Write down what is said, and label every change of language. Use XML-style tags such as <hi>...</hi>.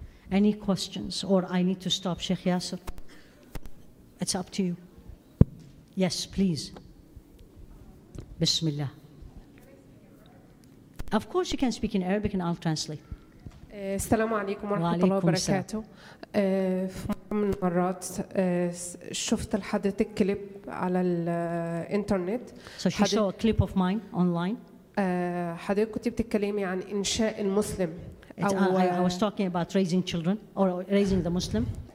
<en>Any questions, or I need to stop, Sheikh Yasser? It's up to you. Yes, please. Bismillah. Of course, you can speak in Arabic and I'll translate. Assalamu alaikum wa rahmatullahi wa barakatuh.</en> <ar>من المرات شفت لحضرتك كليب على الانترنت.</ar> <en>So she saw a clip of mine online.</en> <ar>حضرتك كنت بتتكلمي عن إنشاء المسلم.</ar> <en>I was talking about raising children or raising the Muslim.</en>